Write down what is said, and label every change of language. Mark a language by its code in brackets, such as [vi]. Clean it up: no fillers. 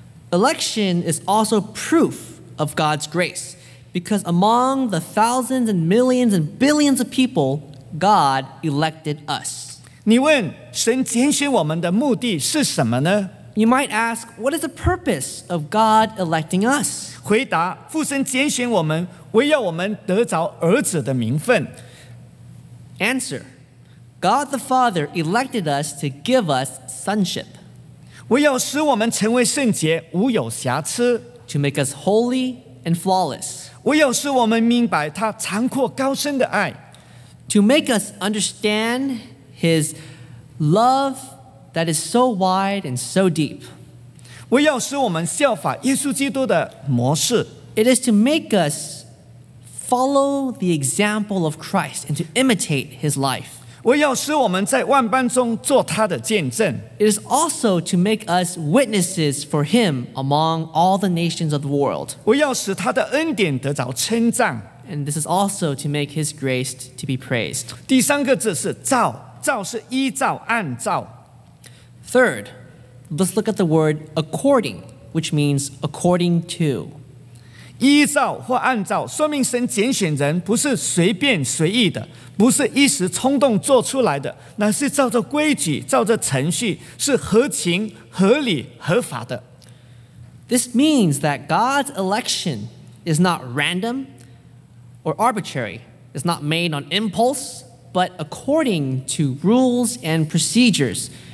[en] Election is also proof of God's grace. Because among the thousands and millions and billions of people, God elected us. [zh] 你问神拣选我们的目的是什么呢？ [en] You might ask, what is the purpose of God electing us? [zh] 回答，父神拣选我们，为要我们得着儿子的名分。 [en] Answer, God the Father elected us to give us sonship. [zh] 唯有使我们成为圣洁，无有瑕疵。 [en] To make us holy and flawless. [zh] 唯有使我们明白他长阔高深的爱。 [en] To make us understand his love that is so wide and so deep. [zh] 唯有使我们效法耶稣基督的模式。 [en] It is to make us follow the example of Christ and to imitate his life. [zh] 唯有使我们在万般中做他的见证。 [en] It is also to make us witnesses for him among all the nations of the world. [zh] 唯有使他的恩典得着称赞。 [en] And this is also to make his grace to be praised. [zh] 第三个字是照，照是依照，按照。 [en] Third, let's look at the word according, which means according to. [zh] 依照或按照，说明神拣选人不是随便随意的，不是一时冲动做出来的，乃是照着规矩，照着程序，是合情、合理、合法的。 [en] This means that God's election is not random or arbitrary, is not made on impulse, but according to rules and procedures.